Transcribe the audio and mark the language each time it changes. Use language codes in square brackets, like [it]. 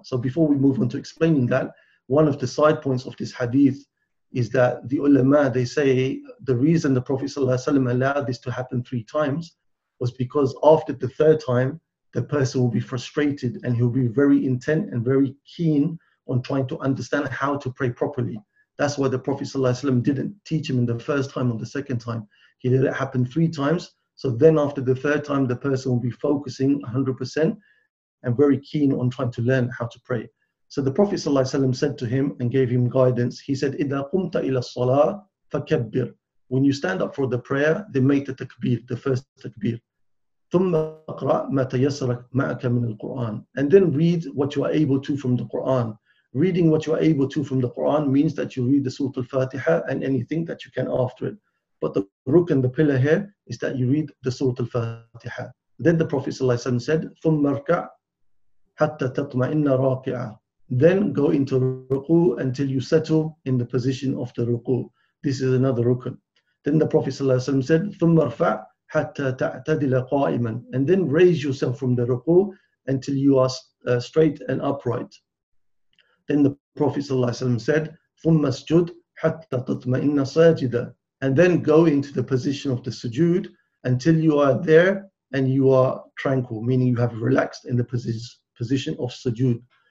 [en] So before we move on to explaining that, one of the side points of this hadith is that the ulama, they say the reason the Prophet ﷺ allowed this to happen three times was because after the third time, the person will be frustrated and he'll be very intent and very keen on trying to understand how to pray properly. That's why the Prophet ﷺ didn't teach him in the first time or the second time. He let it happen three times. So then after the third time, the person will be focusing 100% and very keen on trying to learn how to pray. So the Prophet ﷺ said to him and gave him guidance. He said, [ar] إِذَا قُمْتَ إِلَى الصَّلَاةِ فَكَبِّرْ. [en] When you stand up for the prayer, then make the takbir, the first takbir. [ar] ثُمَّ أَقْرَأْ مَا تَيَسَّرَ مَعَكَ مِنَ الْقُرْآنِ. [en] And then read what you are able to from the Qur'an. Reading what you are able to from the Qur'an means that you read the Surah Al-Fatiha and anything that you can after it. But the ruk and the pillar here is that you read the Surah Al-Fatiha. Then the Prophet ﷺ said, [ar] ثُمَّ ارْكَعْ حَتَّى تَطْمَئِنَّ رَاكِعًا. [en] Then go into ruku until you settle in the position of the ruku. This is another rukun. Then the Prophet ﷺ said, [ar] ثُمَّ ارْفَعْ حَتَّى تَعْتَدِلَ قَائِمًا. [en] And then raise yourself from the ruku until you are straight and upright. Then the Prophet ﷺ said, [ar] ثُمَّ اسْجُدْ حَتَّى تَطْمَئِنَّ سَاجِدًا. [en] And then go into the position of the sujood until you are there and you are tranquil, meaning you have relaxed in the position of sujood.